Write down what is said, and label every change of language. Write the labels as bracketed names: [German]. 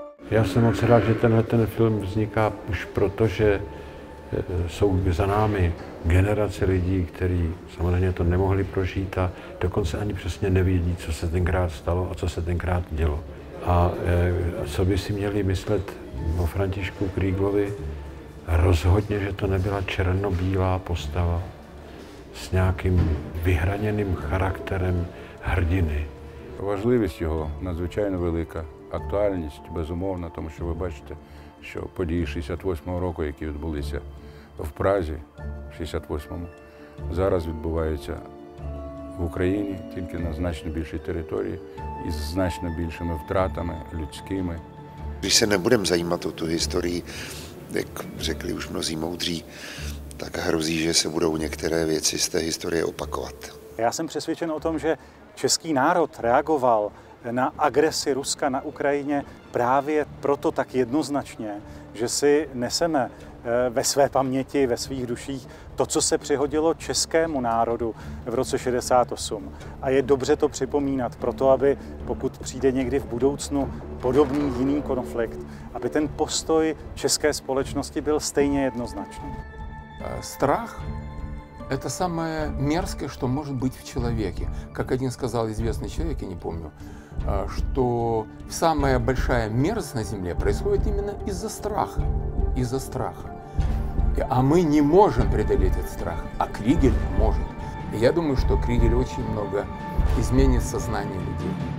[Czech] Já jsem moc rád, že tenhle ten film vzniká už proto, že jsou za námi generace lidí, kteří samozřejmě to nemohli prožít a dokonce ani přesně nevědí, co se tenkrát stalo a co se tenkrát dělo. A co by si měli myslet o Františku Krieglovi? Rozhodně, že to nebyla černobílá postava s nějakým vyhraněným charakterem hrdiny. [Ukrainian] Важливість його надзвичайно велика. Актуальність безумовна, тому що ви бачите, що події 68-го року, які відбулися в Празі, 68-му, зараз відбуваються в Україні, тільки на значно більшій території і з значно більшими втратами людськими. Ми не будемо займатися ту історію, [Czech] jak řekli už mnozí moudří, tak hrozí, že se budou některé věci z té historie opakovat. Já jsem přesvědčen o tom, že český národ reagoval na agresi Ruska na Ukrajině právě proto tak jednoznačně, že si neseme ve své paměti, ve svých duších to, co se přihodilo českému národu v roce 68. A je dobře to připomínat proto, aby pokud přijde někdy v budoucnu podobný jiný konflikt, aby ten postoj české společnosti byl stejně jednoznačný. [Russian] Strach – это самое мерзкое, что может быть в человеке. Как один сказал известный человек, я не помню, что самая большая мерзость на Земле происходит именно из-за страха. Из-за страха. А мы не можем преодолеть этот страх, а Кригель может. И я думаю, что Кригель очень много изменит сознание людей.